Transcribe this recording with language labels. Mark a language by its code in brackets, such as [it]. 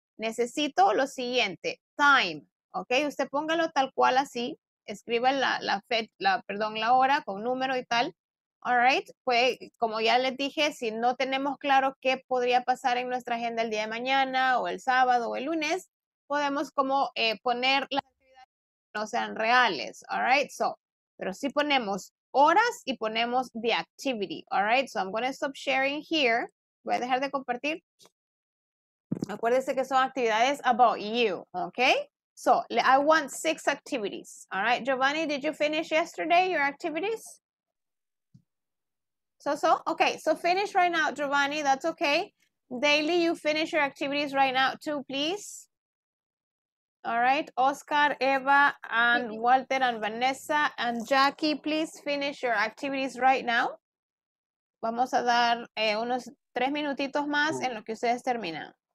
[es] Necesito lo siguiente, time, ok, usted póngalo tal cual así, escriba la hora con número y tal. [en] All right, [es] pues como ya les dije, si no tenemos claro qué podría pasar en nuestra agenda el día de mañana o el sábado o el lunes, podemos como poner las actividades que no sean reales. [en] All right, so, [es] pero sí ponemos horas y ponemos [en] the activity. All right, so I'm going to stop sharing here. [es] Voy a dejar de compartir. Acuérdense que son actividades [en] about you, okay? So, I want six activities. All right, Giovanni, did you finish yesterday your activities? So, okay, so finish right now, Giovanni, that's okay. Daily, you finish your activities right now too, please. All right, Oscar, Eva, and Walter, and Vanessa, and Jackie, please finish your activities right now. [es] Vamos a dar unos tres minutitos más en lo que ustedes terminan.